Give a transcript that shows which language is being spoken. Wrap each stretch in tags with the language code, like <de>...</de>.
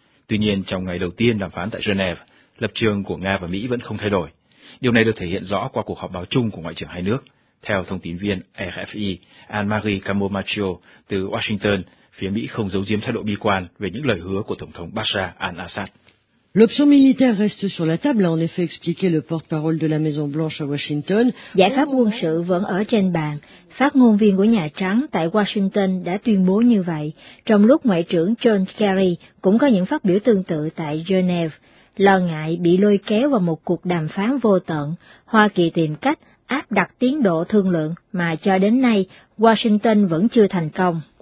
<vi>Tuy nhiên, trong ngày đầu tiên đàm phán tại Geneva, lập trường của Nga và Mỹ vẫn không thay đổi. Điều này được thể hiện rõ qua cuộc họp báo chung của Ngoại trưởng hai nước. Theo thông tin viên RFI Anne-Marie Camomaccio từ Washington, phía Mỹ không giấu giếm thái độ bi quan về những lời hứa của Tổng thống Bashar al-Assad.</vi> <fr>L'option militaire reste sur la table, en effet expliqué le porte-parole de la Maison Blanche à Washington.</fr> <vi>Giải pháp quân sự vẫn ở trên bàn. Phát ngôn viên của Nhà Trắng tại Washington đã tuyên bố như vậy, trong lúc Ngoại trưởng John Kerry cũng có những phát biểu tương tự tại Geneva. Lo ngại bị lôi kéo vào một cuộc đàm phán vô tận, Hoa Kỳ tìm cách áp đặt tiến độ thương lượng mà cho đến nay Washington vẫn chưa thành công.</vi>